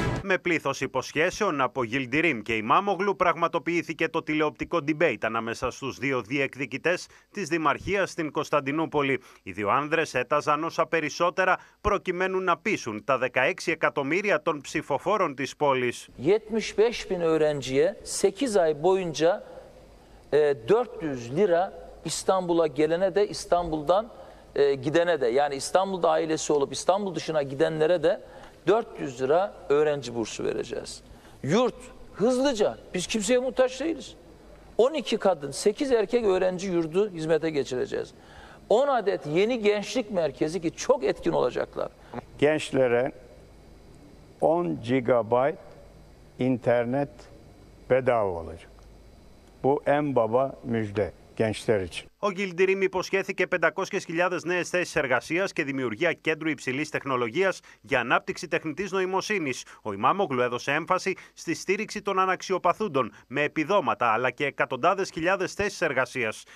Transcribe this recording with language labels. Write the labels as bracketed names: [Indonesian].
[Greek] Με πλήθος υποσχέσεων από Γκυλδιρίμ και Ιμάμογλου πραγματοποιήθηκε το τηλεοπτικό debate ανάμεσα στους δύο διεκδικητές της Δημαρχίας στην Κωνσταντινούπολη. Οι δύο άνδρες έταζαν όσα περισσότερα προκειμένου να πείσουν τα 16 εκατομμύρια των ψηφοφόρων της πόλης. [Turkish] 75.000 öğrenciye 8 ay boyunca 400 lira İstanbul'a gelene de İstanbul'dan gidene de yani İstanbul'da ailesi olup İstanbul dışına gidenlere de 400 lira öğrenci bursu vereceğiz. Yurt hızlıca, biz kimseye muhtaç değiliz. 12 kadın, 8 erkek öğrenci yurdu hizmete geçireceğiz. 10 adet yeni gençlik merkezi ki çok etkin olacaklar. Gençlere 10 GB internet bedava olacak. Bu en baba müjde. [Greek] Ο Γκυλδιρίμ υποσχέθηκε 500.000 νέες θέσεις εργασίας και δημιουργία κέντρου υψηλής τεχνολογίας για ανάπτυξη τεχνητής νοημοσύνης. Ο Ιμάμογλου έδωσε έμφαση στη στήριξη των αναξιοπαθούντων με επιδόματα αλλά και εκατοντάδες χιλιάδες θέσεις εργασίας.